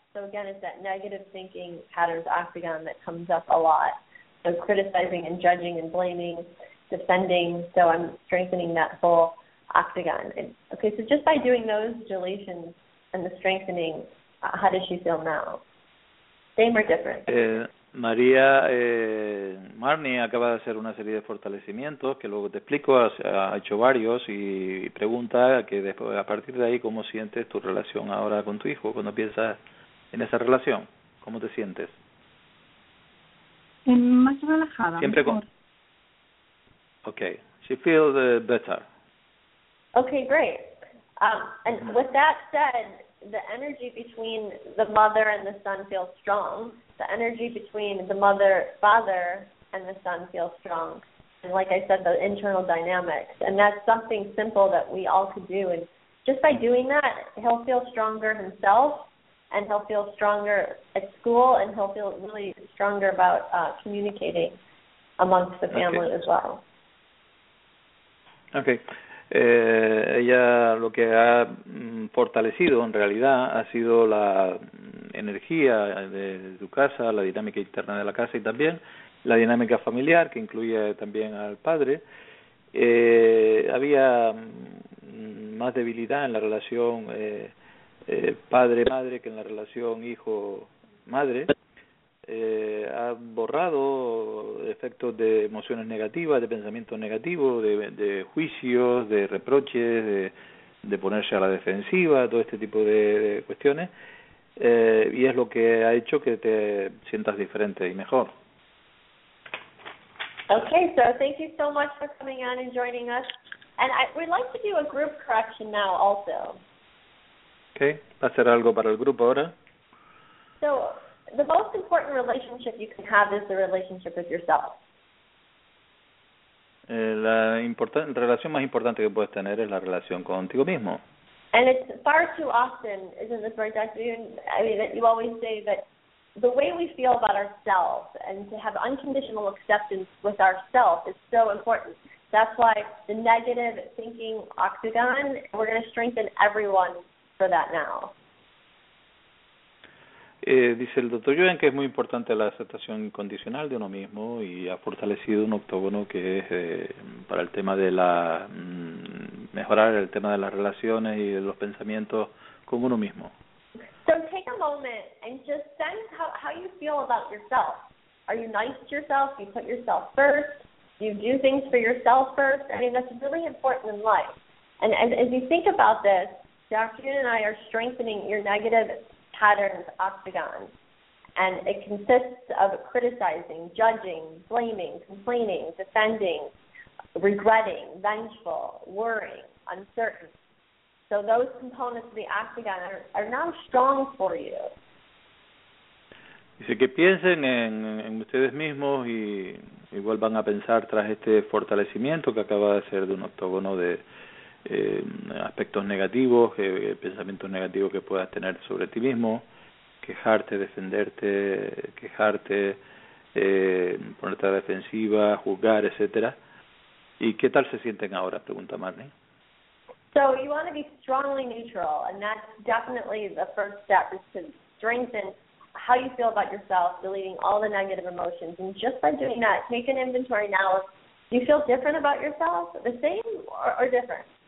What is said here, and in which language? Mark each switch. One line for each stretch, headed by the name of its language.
English: So again, it's that negative thinking patterns octagon that comes up a lot. So criticizing and judging and blaming, defending. So I'm strengthening that whole octagon. And, okay, so just by doing those deletions and the strengthening, how does she feel now? Same or different?
Spanish: María, Marnie acaba de hacer una serie de fortalecimientos que luego te explico, ha hecho varios y pregunta que después, a partir de ahí, ¿cómo sientes tu relación ahora con tu hijo cuando piensas en esa relación? ¿Cómo te sientes? Más relajada. Siempre mejor.
English: Okay, she feels better. Okay, great. And with that said, the energy between the mother and the son feels strong. The energy between the mother, father, and the son feels strong. And like I said, the internal dynamics. And that's something simple that we all could do. And just by doing that, he'll feel stronger himself, and he'll feel stronger at school, and he'll feel really stronger about communicating amongst the family okay. as well. Okay.
Spanish: Ella lo que ha fortalecido en realidad ha sido la energía de su casa, la dinámica interna de la casa y también la dinámica familiar que incluye también al padre. Había más debilidad en la relación padre-madre que en la relación hijo-madre. Ha borrado efectos de emociones negativas, de pensamientos negativos, de juicios, de reproches, de ponerse a la defensiva, todo este tipo de cuestiones. Y es lo que ha hecho que te sientas diferente y mejor.
English: Okay, so thank you so much for coming on and joining us. And we'd like to do a group correction now also.
Spanish: Okay, ¿va a hacer algo para el grupo ahora?
English: So... the most important relationship you can have is the relationship with yourself.
Spanish: La relación más importante que puedes tener es la relación contigo mismo.
English: And it's far too often, isn't this right, Dr. Yun? I mean, that you always say that the way we feel about ourselves and to have unconditional acceptance with ourselves is so important. That's why the negative thinking octagon, we're going to strengthen everyone for that now.
Spanish: Dice el doctor Joven que es muy importante la aceptación incondicional de uno mismo y ha fortalecido un octógono que es para el tema de la mejorar el tema de las relaciones y los pensamientos con uno mismo.
English: So take a moment and just sense how you feel about yourself. Are you nice to yourself? Do you put yourself first? Do you do things for yourself first? I mean, that's really important in life. And as you think about this, Dr. Yun and I are strengthening your negative patterns octagon. And it consists of criticizing, judging, blaming, complaining, defending, regretting, vengeful, worrying, uncertain. So those components of the octagon are now strong for you.
Spanish: Dice que piensen en ustedes mismos y igual van a pensar tras este fortalecimiento que acaba de hacer de un octógono de aspectos negativos, pensamientos negativos que puedas tener sobre ti mismo, quejarte, defenderte, quejarte, ponerte a la defensiva, juzgar, etcétera. ¿Y qué tal se sienten ahora? Pregunta Marnie.
English: So you want to be strongly neutral, and that's definitely the first step, is to strengthen how you feel about yourself, deleting all the negative emotions. And just by doing that, take an inventory now. Do you feel different about yourself, the same or different?